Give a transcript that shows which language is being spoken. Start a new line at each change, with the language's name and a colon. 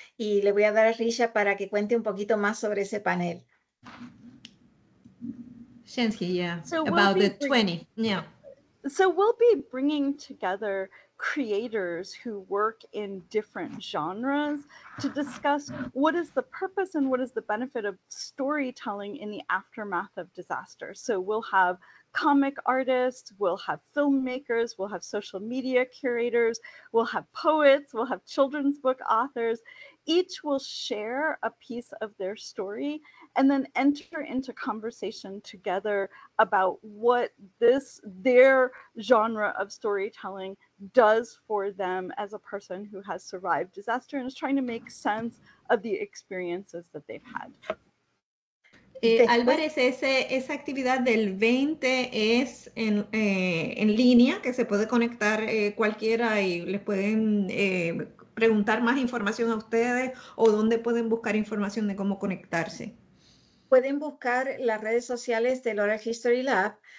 Spanish: Y le voy a dar a Risha para que cuente un poquito más sobre ese panel.
English: Shensky, yeah. So about we'll the 20. Yeah. So we'll be bringing together creators who work in different genres to discuss what is the purpose and what is the benefit of storytelling in the aftermath of disaster. So we'll have comic artists, we'll have filmmakers, we'll have social media curators, we'll have poets, we'll have children's book authors. Each will share a piece of their story and then enter into conversation together about what this, their genre of storytelling does for them as a person who has survived disaster and is trying to make sense of the experiences that they've had.
Spanish: Álvarez, esa actividad del 20 es en línea, que se puede conectar cualquiera y les pueden preguntar más información a ustedes o dónde pueden buscar información de cómo conectarse. Pueden buscar las redes sociales del Oral History Lab.